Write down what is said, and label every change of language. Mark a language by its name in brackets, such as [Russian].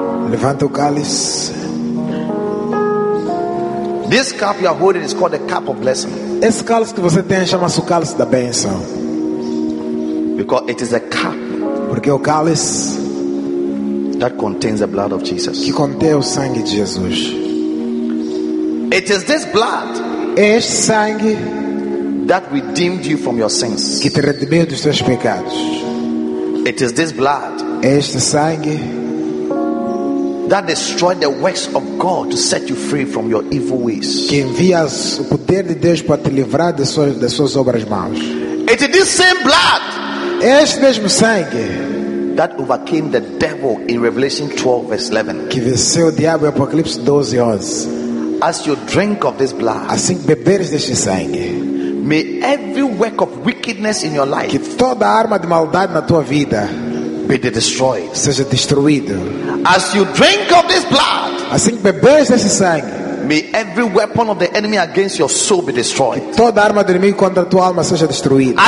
[Portuguese] Levanta o cálice. [English] This cup you are holding is called the cup of blessing. [Portuguese] Esse cálice que você tem chama-se o cálice da bênção. [English] Because it is a cup. [Portuguese] Porque é o cálice [English] that contains the blood of Jesus. [Portuguese] Que contém o sangue de Jesus. [English] It is this blood. [Portuguese] É este sangue [English] that redeemed you from your sins. [Portuguese] Que te redimiu dos teus pecados. [English] It is this blood. [Portuguese] É este sangue [English] that destroyed the works of God to set you free from your evil ways. [Portuguese] Que envia o poder de Deus para te livrar de suas obras más. [English] It is this same blood. [Portuguese] Este mesmo sangue. [English] That overcame the devil in Revelation 12 verse 11. [Portuguese] Que venceu o diabo em Apocalipse 12 11. [English] As you drink of this blood. [Portuguese] Assim beberes deste sangue. [English] May every work of wickedness in your life. [Portuguese] Que toda arma de maldade na tua vida. [English] Be destroyed. [Portuguese] Seja destruído. [English] As you drink of this blood, [Portuguese] assim beberes desse sangue, [English] may every weapon of the enemy against your soul be destroyed. [Portuguese] Que toda arma do inimigo contra a tua alma seja destruída.